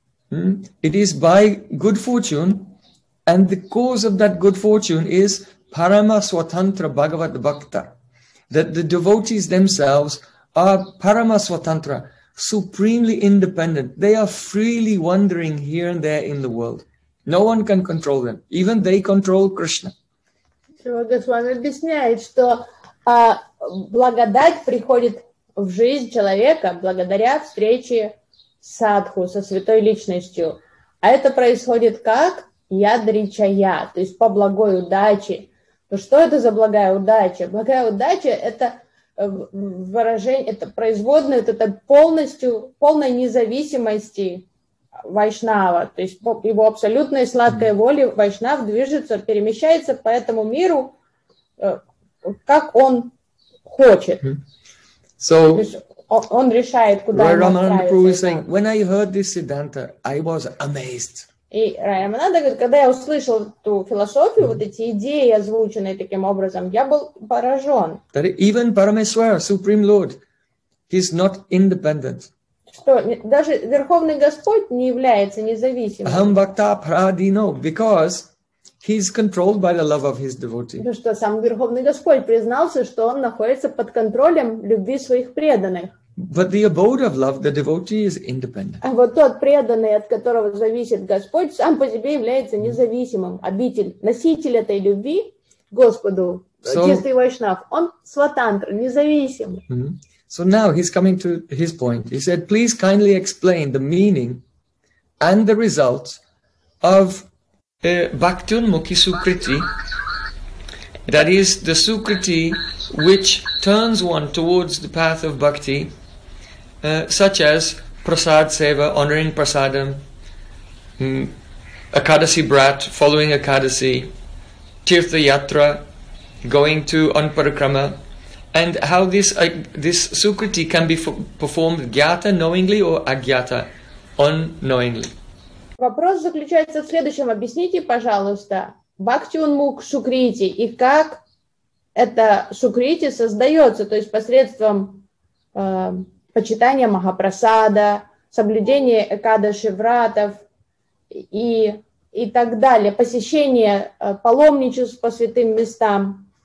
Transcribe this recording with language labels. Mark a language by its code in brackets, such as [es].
[en] It is by good fortune, and the cause of that good fortune is Parama Swatantra Bhagavat Bhakta, that the devotees themselves are Parama Swatantra, supremely independent. They are freely wandering here and there in the world. No one can control them. Even they control Krishna. [ru] Шрила Госвами объясняет, что благодать приходит в жизнь человека благодаря встрече садху, со святой личностью. А это происходит как? Ядричая, то есть по благой удаче. Но что это за благая удача? Благая удача – это выражение, это производное, это полностью, полной независимости Вайшнава, то есть по его абсолютной сладкой воле Вайшнав движется, перемещается по этому миру, как он хочет. [en] So, [ru] он решает, куда он отправится. [en] When I heard this Siddhanta, I was amazed. [ru] И Раямананда говорит, когда я услышал эту философию, вот эти идеи, озвученные таким образом, я был поражен. [en] That even Parameswara, Supreme Lord, he's not independent. [ru] Что даже Верховный Господь не является независимым. [en] Aham bhakta pradino, because he is controlled by the love of his devotee. [ru] Потому что сам Верховный Господь признался, что он находится под контролем любви своих преданных. [en] But the abode of love, the devotee is independent. [ru] А вот тот преданный, от которого зависит Господь, сам по себе является независимым. Обитель, носитель этой любви Господу, чистый вайшнав, он сватантр, независим. [en] So now he's coming to his point. He said, please kindly explain the meaning and the result of Bhaktun Mukhi Sukriti, that is the Sukriti which turns one towards the path of bhakti, such as Prasad Seva, honoring Prasadam, Akadasi Brat, following Akadasi, Tirtha Yatra, going to Anparakrama, and how this sukriti can be performed gyata knowingly or agyata unknowingly. [ru] Вопрос заключается в следующем. Объясните, пожалуйста, бхактюнмук сукрити и как это сукрити создается, то есть посредством почитания Махапрасада, соблюдения экадаши вратов и так далее, посещения паломничеств по святым местам.